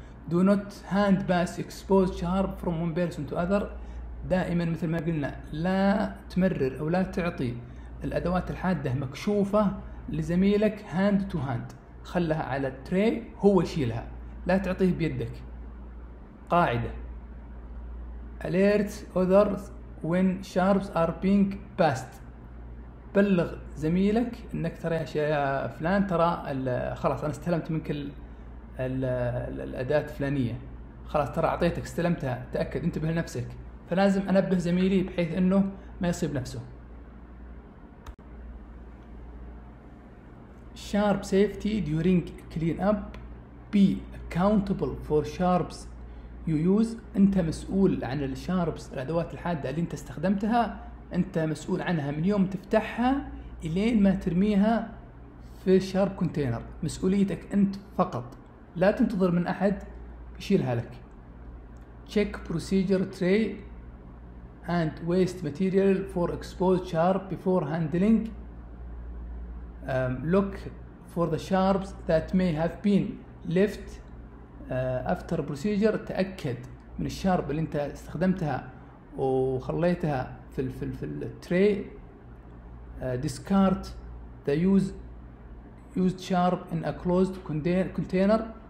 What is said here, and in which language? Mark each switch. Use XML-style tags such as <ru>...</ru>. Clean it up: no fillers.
<en>do not hand pass exposed sharp from one person to other.</en> <ar>دائما مثل ما قلنا لا تمرر او لا تعطي الادوات الحاده مكشوفه لزميلك هاند تو هاند، خلها على التري هو يشيلها، لا تعطيه بيدك. قاعده</ar> <en>alert others when sharps are being passed.</en> <ar>بلغ زميلك انك ترى يا فلان ترى خلاص انا استلمت منك الاداه الفلانيه، خلاص ترى اعطيتك استلمتها، تاكد انتبه لنفسك. فلازم أنبه زميلي بحيث أنه ما يصيب نفسه.</ar> <en>sharp safety during clean up. be accountable for sharps you use.</en> <ar>أنت مسؤول عن الشاربس، الأدوات الحادة اللي أنت استخدمتها أنت مسؤول عنها من يوم تفتحها إلين ما ترميها في الشارب كونتينر، مسؤوليتك أنت فقط، لا تنتظر من أحد يشيلها لك.</ar> <en>check procedure tray and waste material for exposed sharp before handling. Look for the sharps that may have been left after procedure.</en> <ar>تأكد من الشارب اللي انت استخدمتها وخليتها في التري.</ar> <en>Discard they used sharp in a closed container.</en>